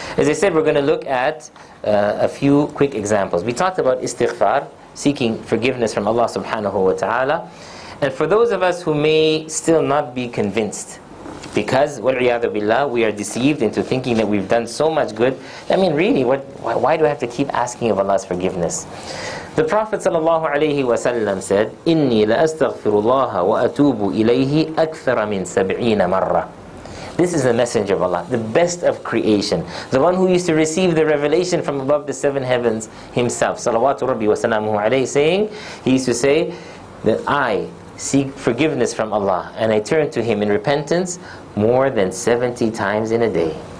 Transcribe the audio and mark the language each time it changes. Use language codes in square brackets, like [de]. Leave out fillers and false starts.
[en] As I said, we're going to look at a few quick examples. We talked about istighfar, seeking forgiveness from Allah subhanahu wa ta'ala. And for those of us who may still not be convinced, because, wal'iyadu billah, we are deceived into thinking that we've done so much good. I mean, really, why do I have to keep asking of Allah's forgiveness? The Prophet sallallahu alayhi wa sallam said, [ar] إِنِّي لَأَسْتَغْفِرُ اللَّهَ وَأَتُوبُ إِلَيْهِ أَكْثَرَ مِنْ 70 مَرَّةٍ. [en] This is the messenger of Allah, the best of creation. The one who used to receive the revelation from above the seven heavens himself. [ar] Salawatu Rabbi wa salamuhu alayhi, [en] saying, he used to say that I seek forgiveness from Allah and I turn to Him in repentance more than 70 times in a day.